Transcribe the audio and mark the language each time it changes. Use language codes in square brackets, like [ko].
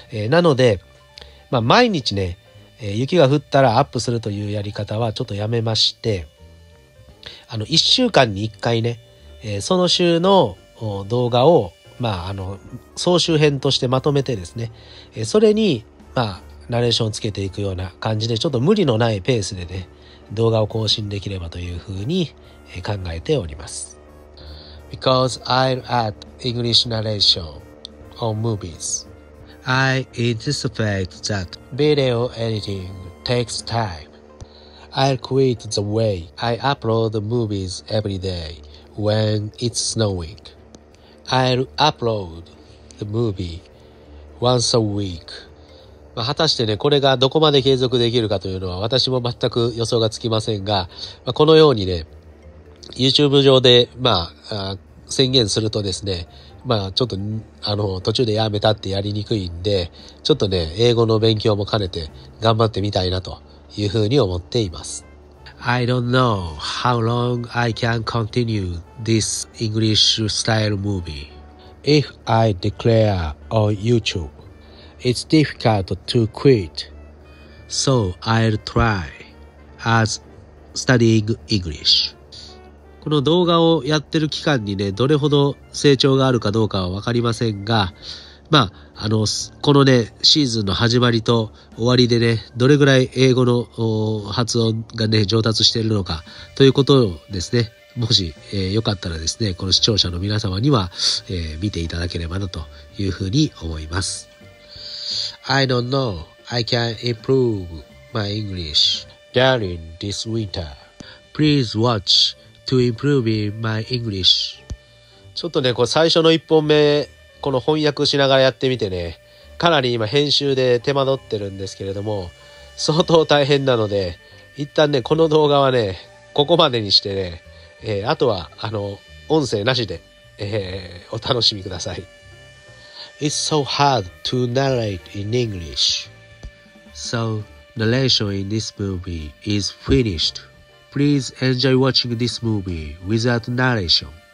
[ja] なので、まあ、毎日ね、雪が降ったらアップするというやり方はちょっとやめまして、1週間に1回ね、その週の動画を、まあ、総集編としてまとめてですね、それに、まあ、ナレーションをつけていくような感じで、ちょっと無理のないペースでね動画を更新できればというふうに考えております。 [en] Because I'll add English narration on movies, I anticipate that video editing takes time. I'll quit the way I upload movies every day when it's snowing. I'll upload the movie once a week.、 [ja] まあ、果たしてね、これがどこまで継続できるかというのは私も全く予想がつきませんが、まあ、このようにね、YouTube 上で、まあ、宣言するとですね、まあちょっと途中でやめたってやりにくいんで、ちょっとね英語の勉強も兼ねて頑張ってみたいなというふうに思っています。 [en] I don't know how long I can continue this English style movie. If I declare on YouTube, it's difficult to quit. So I'll try as studying English. [ja] この動画をやってる期間にね、どれほど成長があるかどうかはわかりませんが、まあ、このね、シーズンの始まりと終わりでね、どれぐらい英語の発音がね、上達しているのか、ということをですね、もし、よかったらですね、この視聴者の皆様には、見ていただければな、というふうに思います。 [en] I don't know, I can improve my English, darling, this winter. Please watch to improve my English. [ja] ちょっとね、こう最初の1本目、この翻訳しながらやってみてね、かなり今編集で手間取ってるんですけれども、相当大変なので、一旦ね、この動画はね、ここまでにしてね、あとは、音声なしで、お楽しみください。 [en] It's so hard to narrate in English. So, narration in this movie is finished. Please enjoy watching this movie without narration.